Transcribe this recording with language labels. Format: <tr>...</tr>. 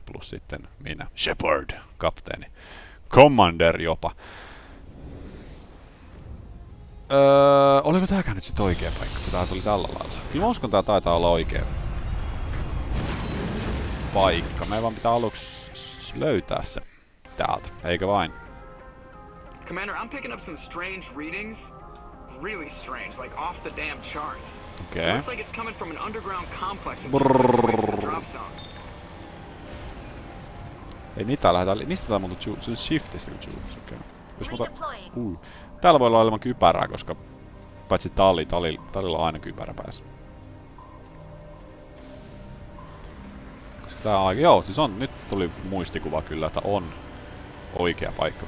<fi>Plus sitten minä, Shepard, kapteeni. Commander jopa. Oliko tääkään nyt sit oikea paikka, kun tää tuli tällä lailla? Kyllä mä uskon, tää taitaa olla oikea paikka. Meidän vaan pitää aluksi löytää se täältä, eikö vain?</fi> <en>Commander, I'm picking up some strange readings. Really strange, like off the damn charts. Okay. Looks like it's coming from an underground complex and drop zone.</en> <fi>Ei mitään, lähdetään. Mistä tää muuta se on shiftistä kun juuri? Okay. Jos muuta... Täällä voi olla ilman kypärää, koska... Paitsi talilla on aina kypärä päässä. tää aika... Joo, siis on. Nyt tuli muistikuva kyllä, että on oikea paikka.</fi>